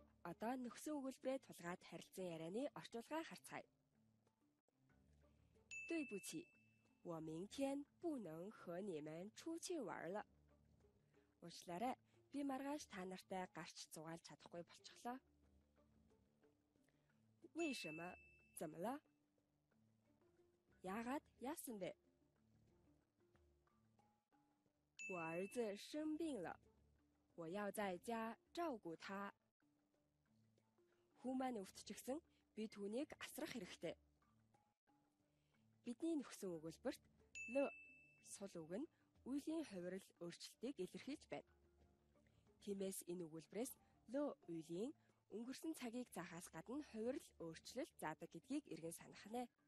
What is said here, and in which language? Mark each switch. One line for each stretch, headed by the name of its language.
Mongolian: Одоо нөхсөн өгүүлбэрээ тулгаад харилцан ярианы орчуулгаа харцгаая.
Chinese: 对不起, 我明天不能和你们出去玩了。
Mongolian: Уучлаарай, би маргааш та нартай гарч зугаалж чадахгүй болчихлоо.
Chinese: 为什么?怎么了?
Mongolian: Яагаад? Яасан бэ?
Chinese: 我儿子生病了, 我要在家照顾他。
Mongolian: Хүмүүс өвтчихсэн, би түүнийг асрах хэрэгтэй. Бидний нөхсөн өгүүлбэрт л сул үг нь үеийн хувирал өөрчлөлтийг илэрхийлж байна. Тиймээс энэ өгүүлбэрээс л үеийн өнгөрсөн цагийг захаас гадна хувирал өөрчлөлт заадаг гэдгийг эргэн санах нь.